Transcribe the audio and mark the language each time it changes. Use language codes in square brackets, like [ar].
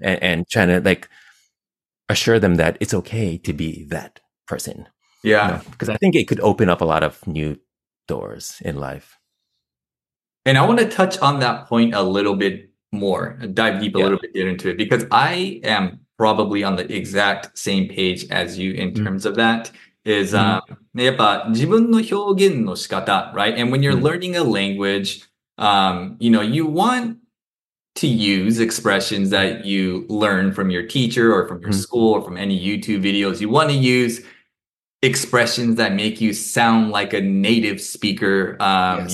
[en] know, and trying to like assure them that it's okay to be that person. Yeah. Because you know? I think it could open up a lot of new doors in life. And I want to touch on that point a little bit more, dive deep a yeah. little bit into it, because I am probably on the exact same page as you in mm-hmm. terms of that. Is, mm-hmm. [ja] やっぱ 自分の表現の仕方, right? [en] And when you're mm-hmm. learning a language, you know, you want to use expressions that you learn from your teacher or from your mm-hmm. school or from any YouTube videos. You want to use expressions that make you sound like a native speaker. Yes.